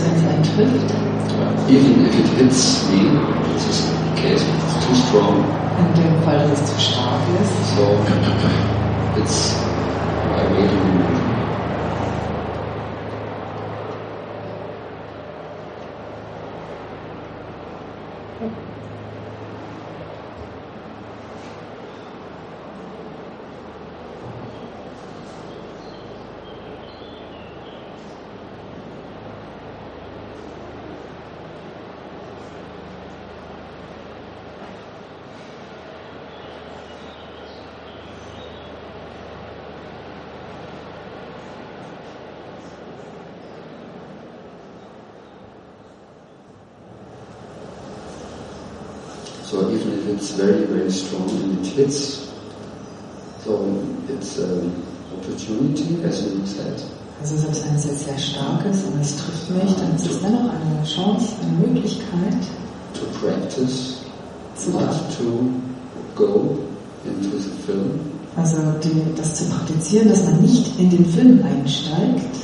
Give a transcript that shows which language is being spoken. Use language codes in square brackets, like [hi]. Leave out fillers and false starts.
[en] it hits me, this is the case, it's too strong. [de] In dem Fall, dass es zu stark ist. [en] So, it's, I mean, so even if it's very, very strong and it hits, so it's an opportunity, as you said. [de] Also selbst wenn es jetzt sehr stark ist und es trifft mich, dann ist es dennoch eine Chance, eine Möglichkeit, [en] to practice, not to go into the film. [de] Also das zu praktizieren, dass man nicht in den Film einsteigt,